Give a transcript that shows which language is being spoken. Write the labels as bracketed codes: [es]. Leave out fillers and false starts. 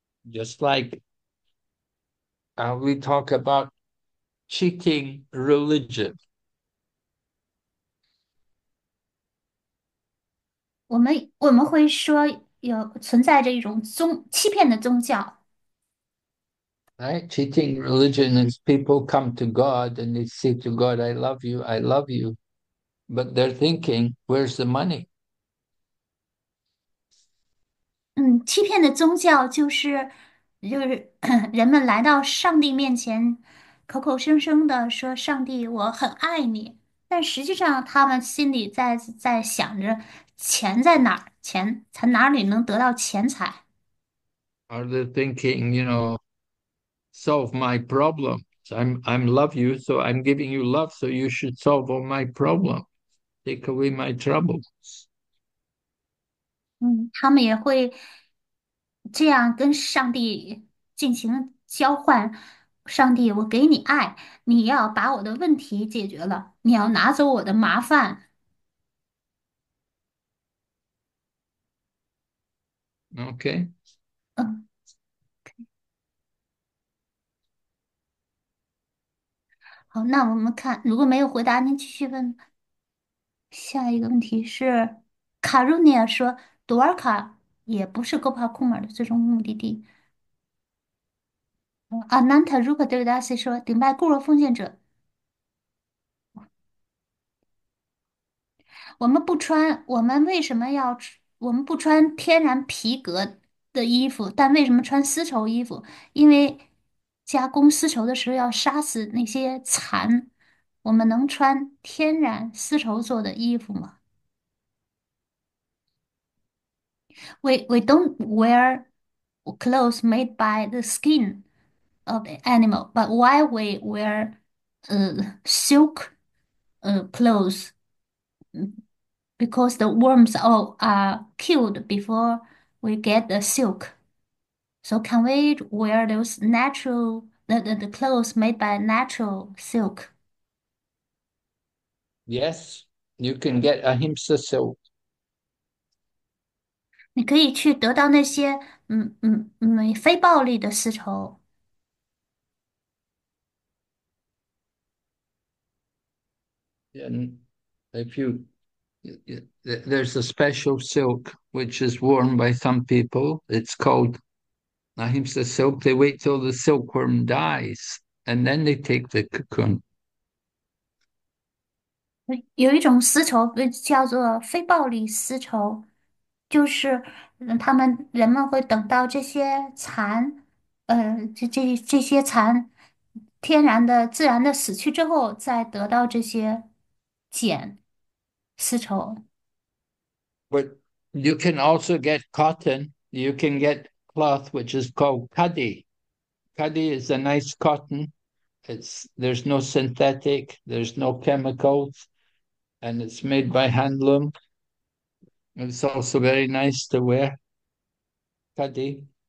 [en] Just like we talk about cheating religion. [zh] 我们会说有存在着一种欺骗的宗教。 [en] Right? Cheating religion is people come to God and they say to God, I love you, I love you. But they're thinking, where's the money? [zh] 欺骗的宗教就是人们来到上帝面前，口口声声的说上帝，我很爱你，但实际上他们心里在想着钱在哪儿，钱从哪里能得到钱财。 [en] Are they thinking, solve my problems? I'm love you, so I'm giving you love, so you should solve all my problems, take away my troubles. [zh] 他们也会这样跟上帝进行交换。上帝，我给你爱，你要把我的问题解决了，你要拿走我的麻烦。 [en] Okay. [zh] OK。好，那我们看，如果没有回答，您继续问。下一个问题是，卡路尼亚说。杜尔卡也不是戈帕库尔的最终目的地。 Ananta Rupa Devadase 说：“顶拜固若奉献者。 ”我们不穿天然皮革的衣服，但为什么穿丝绸衣服？因为加工丝绸的时候要杀死那些蚕。我们能穿天然丝绸做的衣服吗？ [en] We don't wear clothes made by the skin of the animal, but why we wear silk clothes? Because the worms all are killed before we get the silk. So can we wear those natural the clothes made by natural silk? Yes, you can get ahimsa silk. You [zh] 可以去得到那些非暴力的丝绸。 [en] And if you, there's a special silk which is worn by some people. It's called ahimsa silk. They wait till the silkworm dies and then they take the cocoon. [zh] 有一种丝绸被叫做非暴力丝绸。就是，人们会等到这些蚕，这些蚕，天然的、自然的死去之后，再得到这些茧、丝绸。 [en] But you can also get cotton. You can get cloth, which is called khadi. Khadi is a nice cotton. There's no synthetic, there's no chemicals, and it's made by handloom. It's also very nice to wear. Khadi.